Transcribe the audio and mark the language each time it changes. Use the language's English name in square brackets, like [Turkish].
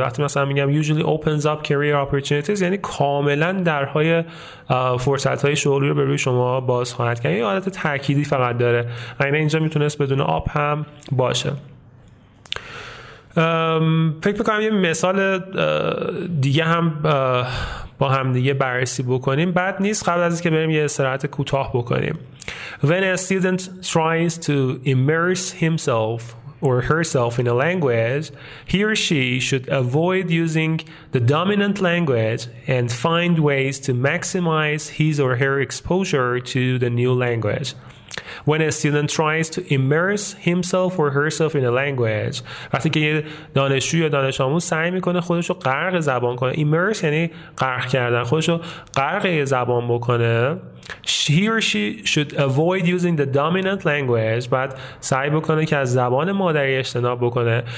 [Persian] وقتی مثلا میگم [English] usually opens up career opportunities [Persian] یعنی کاملا درهای فرصت های شغلی رو به روی شما باز خواهد کرد، یعنی حالت تأکیدی فقط داره. یعنی اینجا میتونست بدون up هم باشه. فکر میکنم یه مثال دیگه هم با هم دیگه بررسی بکنیم بعد نیست قبل از اینکه بریم یه استراحت کوتاه بکنیم. [English] When a student tries to immerse himself or herself in a language, he or she should avoid using the dominant language and find ways to maximize his or her exposure to the new language. When a student tries to immerse himself or herself in a language، [Persian] وقتی که یه دانشجو یا دانش آموز سعی میکنه خودش رو غرق زبان کنه، immerse یعنی غرق کردن، خودش رو غرق زبان بکنه، [English] he or she should avoid using the dominant language، [Persian] بعد سعی بکنه که از زبان مادری اجتناب بکنه.